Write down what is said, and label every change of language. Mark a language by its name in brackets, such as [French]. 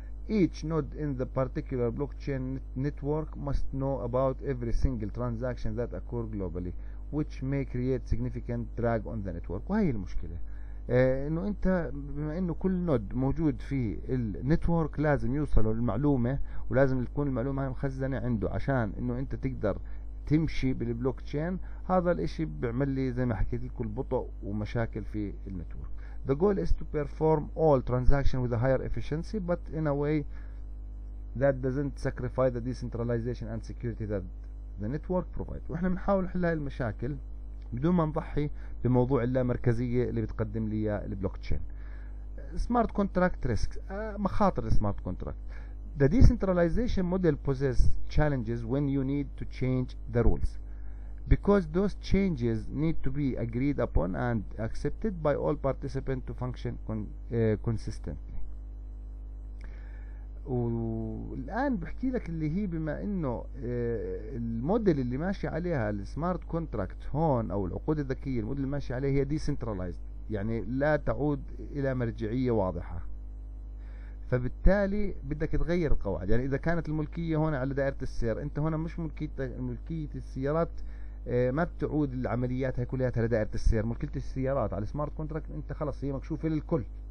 [English] Each node in the particular blockchain network must know about every single transaction that occur globally, which may create significant drag on the network. [Arabic] وهي المشكلة، انه انت بما انه كل نود موجود في النتورك لازم يوصلوا للمعلومة، ولازم تكون المعلومة هاي مخزنة عنده عشان انه انت تقدر تمشي بالبلوكتشين. هذا الاشي بيعمل لي زي ما حكيت لكم بطء ومشاكل في النتورك. [English] The goal is to perform all transactions with a higher efficiency, but in a way that doesn't sacrifice the decentralization and security that the network provides. [Arabic] وإحنا بنحاول نحل هاي المشاكل بدون ما نضحي بموضوع اللامركزية اللي بتقدم لي البلوكتشين. [English] Smart contract risks، [Arabic] مخاطر السمارت كونتراكت. [English] The decentralization model possesses challenges when you need to change the rules, because those changes need to be agreed upon and accepted by all participants to function consistently. [Arabic] والآن بحكي لك اللي هي بما إنه الموديل اللي ماشي عليها السمارت كونتراكت هون، أو العقود الذكية، الموديل اللي ماشي عليها هي decentralized، يعني لا تعود إلى مرجعية واضحة. فبالتالي بدك تغير القواعد. يعني إذا كانت الملكية هون على دائرة السير، أنت هون مش ملكية السيارات، ما بتعود العمليات هاي كلها لدائرة السير، ملكية السيارات على السمارت كونتراكت انت خلص هي مكشوفة للكل.